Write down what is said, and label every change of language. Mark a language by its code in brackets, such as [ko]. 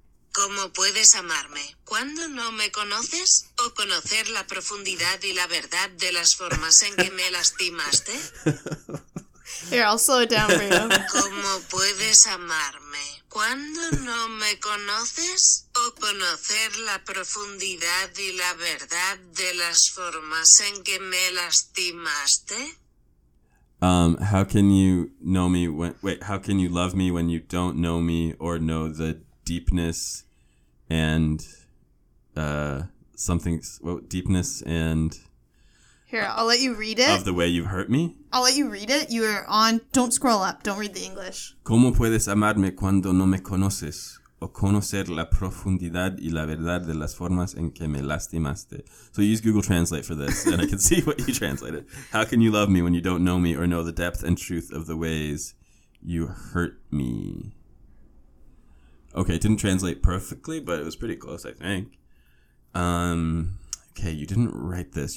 [es] ¿Cómo puedes amarme cuando no me conoces o conocer la profundidad y la verdad de las formas en que me lastimaste? [en] Here, I'll slow it down for you. [es] ¿Cómo puedes amarme cuando no me conoces o conocer la profundidad y la verdad de las formas en que me lastimaste? [en] How can you know me when, how can you love me when you don't know me or know the deepness and, deepness and. Here, I'll let you read it. Of the way you've hurt me. I'll let you read it. You are on, don't scroll up, don't read the English. [es] ¿Cómo puedes amarme cuando no me conoces o conocer la profundidad y la verdad de las formas en que me lastimaste? [en] So use Google Translate for this, and I can see what you translated. How can you love me when you don't know me or know the depth and truth of the ways you hurt me? Okay, it didn't translate perfectly, but it was pretty close, I think. Okay, you didn't write this.